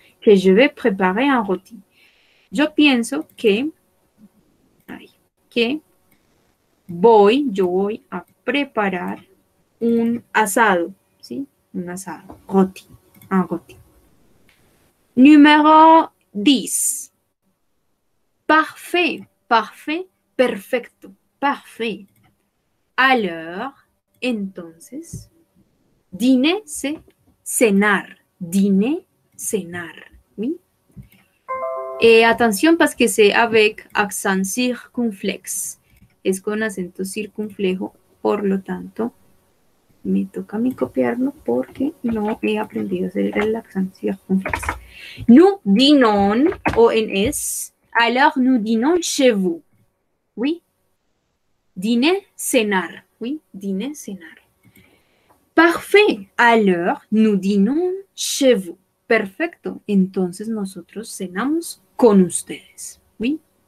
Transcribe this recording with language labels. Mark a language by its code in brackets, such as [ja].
[fr] que je vais préparer un rôti. [es] Yo pienso que, yo voy a preparar un asado, ¿sí? Un asado, [fr] rôti, un rôti. [es] Número 10. [fr] Parfait, parfait, perfecto, parfait. Alors, entonces, dîner, c'est cenar, dîner, cenar. Atención, parce que c'est avec accent circunflexe. [es] Es con acento circunflejo, por lo tanto, me toca a mí copiarlo porque no he aprendido a hacer el accent circunflexe. [fr] Nous dînons, O-N-S, alors nous dînons chez vous. Oui? Dîner, cenar. Oui, dîner, cenar. Parfait, alors nous dînons chez vous. [es] Perfecto, entonces nosotros cenamos con ustedes. ¿Sí?